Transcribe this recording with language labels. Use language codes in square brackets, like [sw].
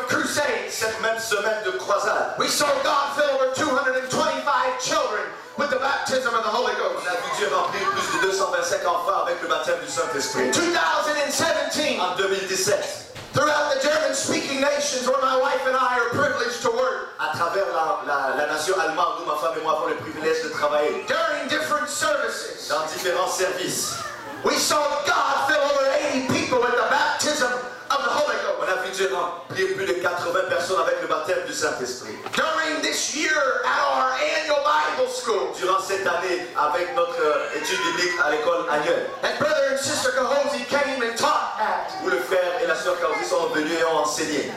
[en] We saw God fill over 225 children with the baptism of the Holy Ghost. [fr] On a vu Dieu remplir plus de 225 enfants avec le baptême du Saint-Esprit. [en] In 2017, [fr] en 2017, [en] throughout the German-speaking nations where my wife and I are privileged to work, [fr] à travers la nation allemande où ma femme et moi avons le privilège de travailler, [en] during different services, [fr] dans différents services, [en] we saw God fill over 80 people with the baptism of the Holy Ghost. [fr] On a vu Dieu remplir plus de 80 personnes avec le baptême du Saint-Esprit. [en] During this year at our annual Bible school. [fr] Durant cette année avec notre étude biblique à l'école annuelle. [en] And brother and sister Cahosi came and taught at. [fr] Où le frère et la sœur Cahosi sont venus et ont enseigné.